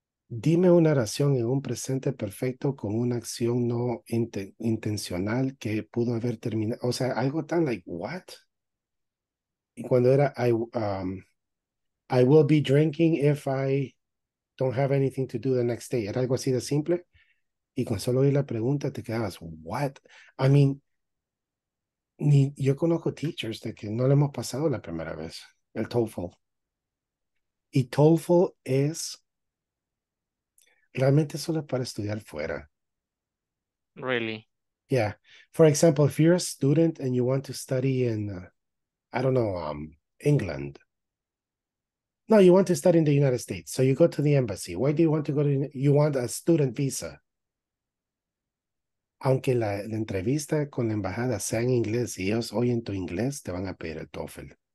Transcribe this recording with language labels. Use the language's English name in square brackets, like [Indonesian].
[Spanish] Dime una oración en un presente perfecto con una acción no intencional que pudo haber terminado. O sea, algo tan like, what? [English] Y cuando era, I will be drinking if I don't have anything to do the next day. [Spanish] Era algo así de simple. Y con solo oír la pregunta te quedabas, what? I mean, ni, yo conozco teachers de que no le hemos pasado la primera vez. El TOEFL. Y TOEFL es... Realmente solo para estudiar fuera. [English] Really? Yeah. For example, if you're a student and you want to study in, I don't know, England. No, you want to study in the United States. So you go to the embassy. Why do you want to go to, you want a student visa. [Spanish] Aunque la entrevista con la embajada sea en inglés y ellos oyen tu inglés, te van a pedir el TOEFL.